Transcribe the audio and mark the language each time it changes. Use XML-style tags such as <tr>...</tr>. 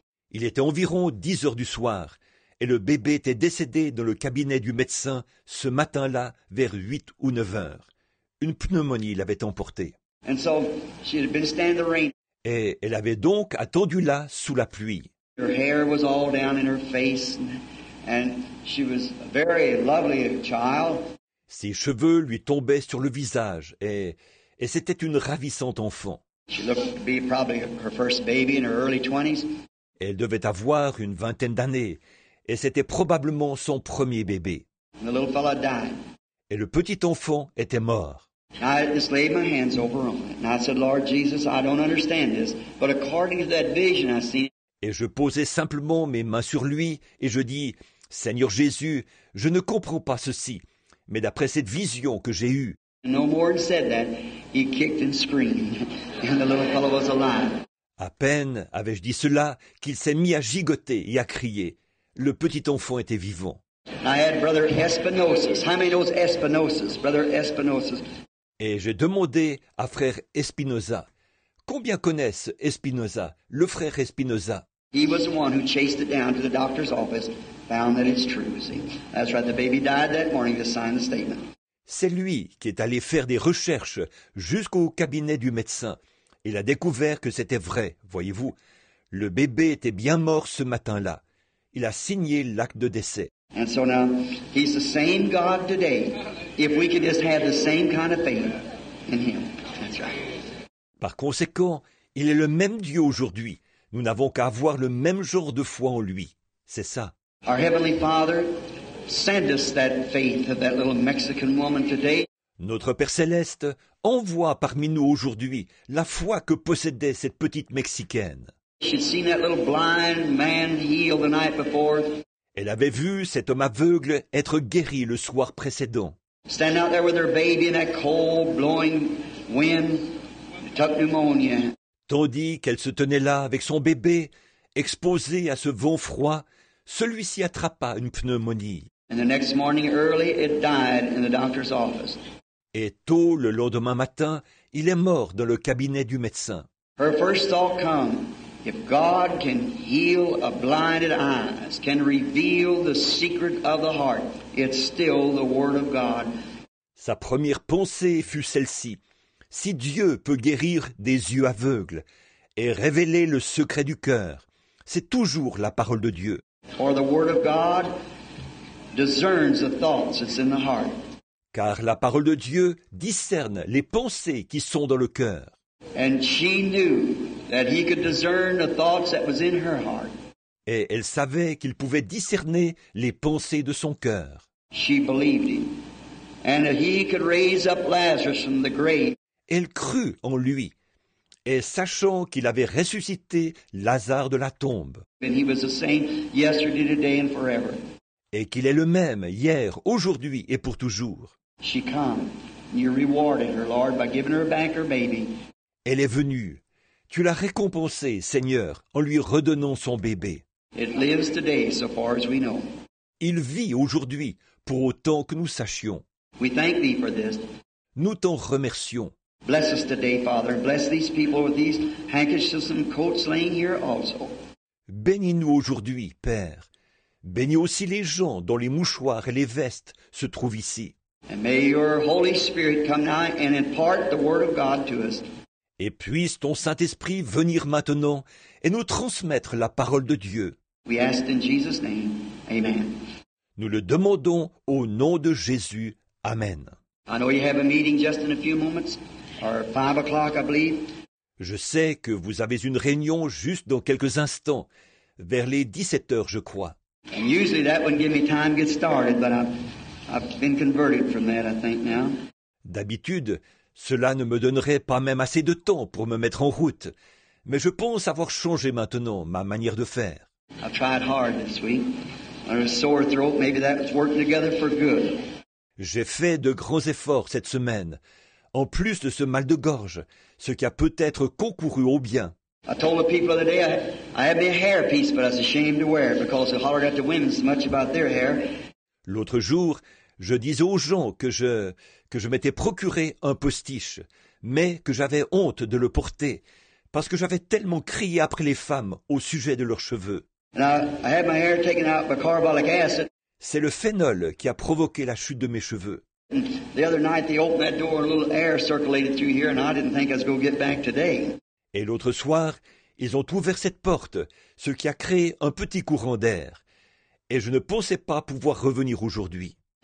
<fr>Il était environ 10 heures du soir et le bébé était décédé dans le cabinet du médecin ce matin-là vers 8 ou 9 heures. Une pneumonie l'avait emporté.</fr> <en>And so she had been standing in the rain.</en> <fr>Et elle avait donc attendu là sous la pluie.</fr> <en>Her hair was all down in her face and she was a very lovely child.</en> <fr>Ses cheveux lui tombaient sur le visage et c'était une ravissante enfant.</fr> <en>She looked to be probably her first baby in her early 20s.</en> <fr>Elle devait avoir une vingtaine d'années et c'était probablement son premier bébé.</fr> <en>And the little fellow died.</en> <fr>Et le petit enfant était mort.</fr> <en>I just laid my hands over on it. And I said, Lord Jesus, I don't understand this, but according to that vision I see.</en> <fr>Et je posais simplement mes mains sur lui et je dis, Seigneur Jésus, je ne comprends pas ceci, mais d'après cette vision que j'ai eue.</fr> <en>No more than said that, he kicked and screamed, and the little fellow was alive.</en> <fr>À peine avais-je dit cela qu'il s'est mis à gigoter et à crier. Le petit enfant était vivant.</fr> <en>I had Brother Espinosis. How many knows Espinosis, Brother Espinosis?</en> <fr>Et j'ai demandé à frère Espinosa, combien connaissent Espinosa, le frère Espinosa?</fr> <en>He was the one who chased it down to the doctor's office, found that it's true, see? That's right, the baby died that morning to sign the statement.</en> <fr>C'est lui qui est allé faire des recherches jusqu'au cabinet du médecin. Il a découvert que c'était vrai, voyez-vous. Le bébé était bien mort ce matin-là. Il a signé l'acte de décès.</fr> <en>And so now, he's the same God today. If we could just have the same kind of faith in him. That's right.</en> <fr>Par conséquent, il est le même Dieu aujourd'hui. Nous n'avons qu'à avoir le même genre de foi en lui. C'est ça.</fr> <en>Our Heavenly Father sent us that faith of that little Mexican woman today.</en> <fr>Notre Père Céleste envoie parmi nous aujourd'hui la foi que possédait cette petite Mexicaine.</fr> <en>She'd seen that little blind man heal the night before.</en> <fr>Elle avait vu cet homme aveugle être guéri le soir précédent.</fr> <en>Stand out there with her baby in that cold, blowing wind, tough pneumonia.</en> <fr>Tandis qu'elle se tenait là avec son bébé, exposée à ce vent froid, celui-ci attrapa une pneumonie.</fr> <en>And the next morning early, it died in the doctor's office.</en> <fr>Et tôt le lendemain matin, il est mort dans le cabinet du médecin.</fr> <en>Her first thought came. If God can heal a blinded eyes, can reveal the secret of the heart, it's still the word of God.</en> <fr>Sa première pensée fut celle-ci. Si Dieu peut guérir des yeux aveugles et révéler le secret du cœur, c'est toujours la parole de Dieu.</fr> <en>For the word of God discerns the thoughts that's in the heart.</en> <fr>Car la parole de Dieu discerne les pensées qui sont dans le cœur.</fr> <en>And she knew that he could discern the thoughts that was in her heart.</en> <fr>Et elle savait qu'il pouvait discerner les pensées de son cœur.</fr> <en>She believed him. And that he could raise up Lazarus from the grave.</en> <fr>Elle crut en lui. Et sachant qu'il avait ressuscité Lazare de la tombe.</fr> <en>And he was the same yesterday, today and forever.</en> <fr>Et qu'il est le même hier, aujourd'hui et pour toujours.</fr> <en>She came. You rewarded her, Lord, by giving her back her baby.</en> <fr>Elle est venue. Tu l'as récompensé, Seigneur, en lui redonnant son bébé.</fr> <en>It lives today, so far as we know.</en> <fr>Il vit aujourd'hui, pour autant que nous sachions.</fr> <en>We thank thee for this.</en> <fr>Nous t'en remercions.</fr> <en>Bless us today, Father, bless these people with these handkerchiefs and coats laying here also.</en> <fr>Bénis-nous aujourd'hui, Père. Bénis aussi les gens dont les mouchoirs et les vestes se trouvent ici.</fr> <en>And may your Holy Spirit come now and impart the word of God to us.</en> <fr>Et puisse ton Saint-Esprit venir maintenant et nous transmettre la parole de Dieu.</fr> <en>We ask in Jesus' name. Amen.</en> <fr>Nous le demandons au nom de Jésus. Amen.</fr> <en>I know you have a meeting just in a few moments, or 5 o'clock, I believe.</en> <fr>Je sais que vous avez une réunion juste dans quelques instants, vers les 17 heures, je crois.</fr> <en>And usually that wouldn't give me time to get started, but I've been converted from that, I think, now.</en> <fr>D'habitude, cela ne me donnerait pas même assez de temps pour me mettre en route. Mais je pense avoir changé maintenant ma manière de faire.</fr> <en>I've tried hard this week. I had a sore throat. Maybe that was working together for good.</en> <fr>J'ai fait de grands efforts cette semaine, en plus de ce mal de gorge, ce qui a peut-être concouru au bien.</fr> <en>I told the people the other day I had me a hair piece, but I was ashamed to wear it because I hollered at the women so much about their hair.</en> <fr>L'autre jour, je disais aux gens que je m'étais procuré un postiche, mais que j'avais honte de le porter parce que j'avais tellement crié après les femmes au sujet de leurs cheveux.</fr> <en>I had my hair taken out by carbolic acid.</en> <fr>C'est le phénol qui a provoqué la chute de mes cheveux.</fr> <en>The other night they opened that door and a little air circulated through here, and I didn't think I was going to get back today.</en> <fr>Et l'autre soir, ils ont ouvert cette porte, ce qui a créé un petit courant d'air. Et je ne pensais pas pouvoir revenir aujourd'hui.</fr>